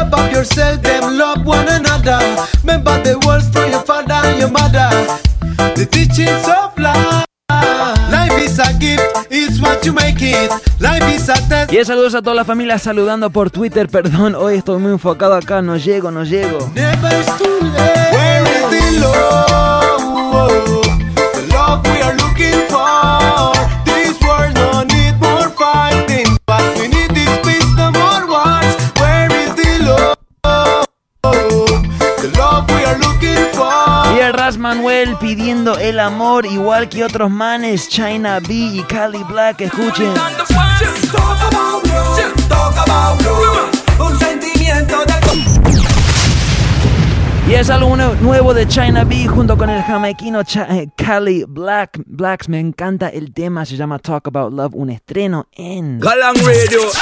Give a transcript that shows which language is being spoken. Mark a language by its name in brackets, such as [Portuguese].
[English] Yourself, them love one another. Remember the words from your father and your mother. The teachings of life. Life is a gift, it's what you make it. Life is a test. [Spanish] Y saludos a toda la familia saludando por Twitter. Perdón, hoy estoy muy enfocado acá. No llego, no llego. [English] Never is too late. Where is the love? The love we are looking for. This world no need more fighting. But we need this peace, no more wars. Where is the love? The love we are looking for. [Spanish] Y el Ras Manuel pidiendo el amor, igual que otros manes, China B y Cali Black, escuchen. [English] Just talk about love, just talk about love. [Spanish] Un sentimiento de... Y es algo nuevo de China B junto con el jamaiquino Cali Black. Blacks, me encanta el tema, se llama Talk About Love, un estreno en Galán Radio.